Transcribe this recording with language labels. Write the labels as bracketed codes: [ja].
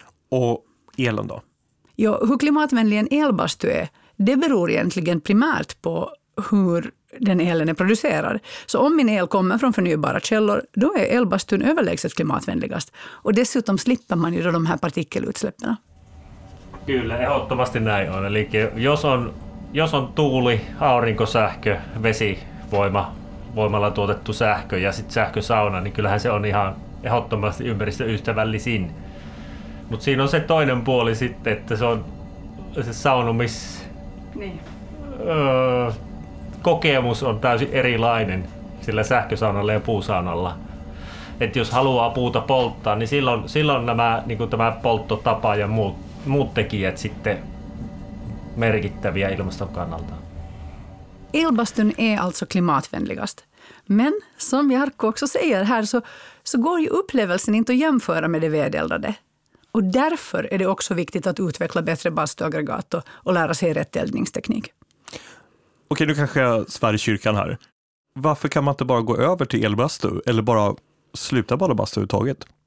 [sv] Och elen då? Ja, hur klimatvänlig en elbastu är, det beror egentligen primärt på hur den elen är producerad. Så om min el kommer från förnybara källor, då är elbastun överlägset klimatvänligast. Och dessutom slipper man ju då de här partikelutsläppen. [fi] Kyllä, ehdottomasti näin on. Eli jos on tuuli, aurinkosähkö, vesivoima, voimalla tuotettu sähkö ja sitten sähkösauna, niin kyllähän se on ihan ehdottomasti ympäristöystävällisin. Mutta siinä on se toinen puoli sitten, että se on se saunumis... Niin. Kokemus on täysin erilainen sillä sähkösaunalla ja puusaunalla. Et jos haluaa puuta polttaa, niin silloin nämä, niin kuin tämä polttotapa ja muut tekijät sitten merkittäviä ilmaston kannalta. [sv] Elbastun är alltså klimatvänligast. Men som Jarkko också säger här, så går ju upplevelsen inte att jämföra med det vedeldade. Och därför är det också viktigt att utveckla bättre bastuaggregat och lära sig rätt eldningsteknik. Okej, nu kanske jag svär i kyrkan här. Varför kan man inte bara gå över till elbastu eller bara sluta bada bastu överhuvudtaget?